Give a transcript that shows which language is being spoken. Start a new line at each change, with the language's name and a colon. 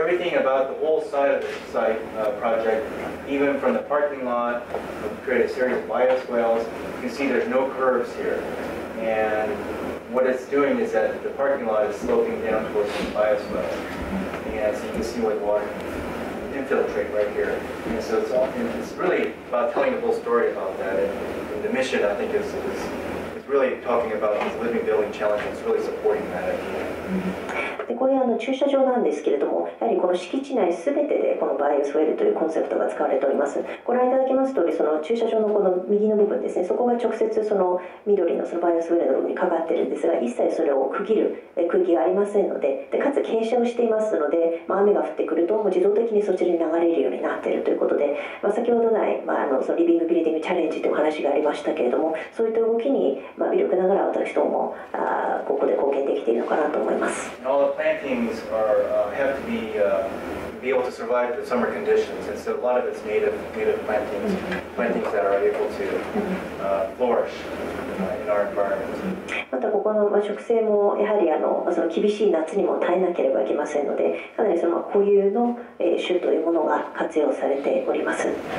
English: Everything about the whole side of the site project, even from the parking lot,create a series of bio swales. You can see there's no curves here. And what it's doing is that the parking lot is sloping down towards the bio swale. And so you can see where the water can infiltrate right here. And so it's really about telling the whole story about that. And the mission, I think, is really talking about this living building challenge. It's really supporting that idea.
Japanese: でこれ駐車場なんですけれども、やはりこの敷地内全てでこのバイオスウェルというコンセプトが使われております。ご覧いただけますとおり、その駐車場のこの右の部分ですね、そこが直接その緑 そのバイオスウェルの部分にかかっているんですが、一切それを区切る区域がありませんの でかつ傾斜をしていますので、雨が降ってくるともう自動的にそちらに流れるようになっているということで、先ほどない、そのリビングビルディングチャレンジという話がありましたけれども、そういった動きに、微力ながら私どもここで貢献できているのかなと思います。
English: Plantings are have to be able to survive the summer conditions, and so a lot of it's native plantings, plantings that are able to flourish in our environment.
Japanese: またここの植生もやはりその厳しい夏にも耐えなければいけませんので、かなりその固有の種というものが活用されております。